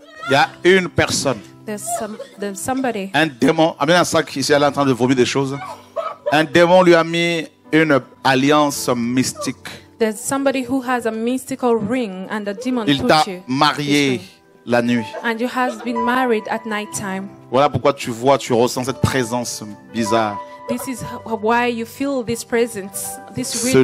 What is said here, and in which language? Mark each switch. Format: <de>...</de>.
<fr>Il y a une personne.</fr> <en>There's somebody.</en> <fr>Un démon. Amène un sac ici, elle est en train de vomir des choses. Un démon lui a mis une alliance mystique.</fr> <en>There's somebody who has a mystical ring and a demon</en> <fr>Il t'a marié la nuit.</fr> <en>And you have been married at night time.</en> <fr>Voilà pourquoi tu vois, tu ressens cette présence bizarre.</fr> <en>This is why you feel this presence, this real</en>